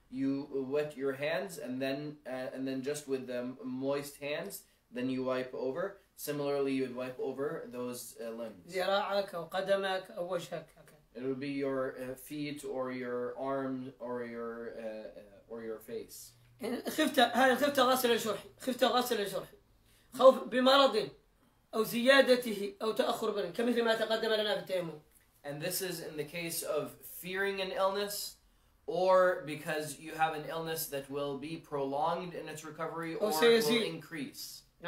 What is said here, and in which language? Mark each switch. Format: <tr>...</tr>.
<en>You wet your hands and then just with the moist hands, then you wipe over. Similarly, you would wipe over those limbs.</en> <ar>ذراعك أو قدمك أو وجهك.</ar> <en>It would be your feet or your arms or your face.</en> <ar>خفت غسل الجرح، خفت غسل الجرح، خوف بمرض أو زيادته أو تأخر بين، كمثل ما تقدم لنا في التيمم.</ar> <en>And this is in the case of fearing an illness, or because you have an illness that will be prolonged in its recovery or will increase.</en>